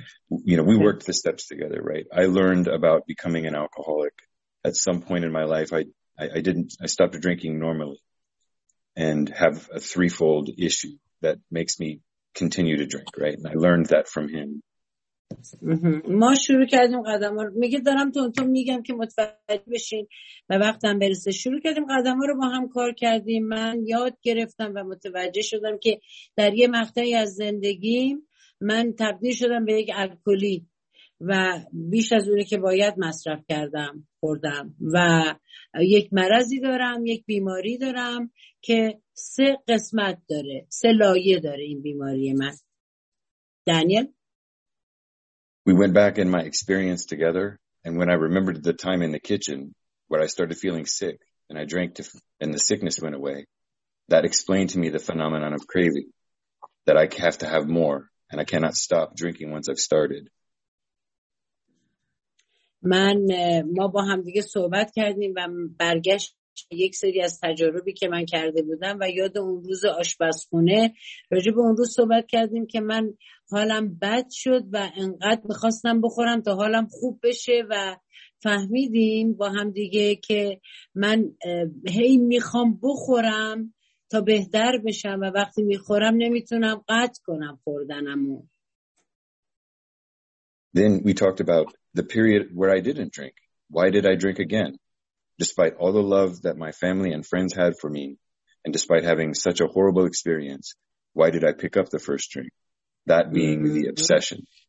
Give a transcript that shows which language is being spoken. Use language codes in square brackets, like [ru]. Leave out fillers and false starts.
[en] You know, we worked the steps together, right? I learned about becoming an alcoholic at some point in my life. I stopped drinking normally and have a threefold issue that makes me continue to drink, right? And I learned that from him. [fa] ما شروع کردیم قدم ها رو میگه دارم تونتون میگم که متوجه بشین و وقتم برسه. شروع کردیم قدم ها رو با هم کار کردیم، من یاد گرفتم و متوجه شدم که در یه مقطعی از زندگیم من تبدیل شدم به یک الکلی و بیش از اونی که باید مصرف کردم خوردم و یک مرضی دارم، یک بیماری دارم که سه قسمت داره، سه لایه داره این بیماری من. دانیل. [en] We went back in my experience together, and when I remembered the time in the kitchen where I started feeling sick and I drank and the sickness went away, that explained to me the phenomenon of craving, that I have to have more and I cannot stop drinking once I've started. [fa] ما با هم دیگه صحبت کردیم و برگشت یک سری از تجاربی که من کرده بودم و یاد اون روز آشپزخونه راجع به اون روز صحبت کردیم که من حالم بد شد و انقدر بخواستم بخورم تا حالم خوب بشه و فهمیدیم با هم دیگه که من هی میخوام بخورم تا بهتر بشم و وقتی میخورم نمیتونم قطع کنم خوردنمو. [en] Then we talked about the period where I didn't drink. Why did I drink again? Despite all the love that my family and friends had for me, and despite having such a horrible experience, why did I pick up the first drink? That being the obsession.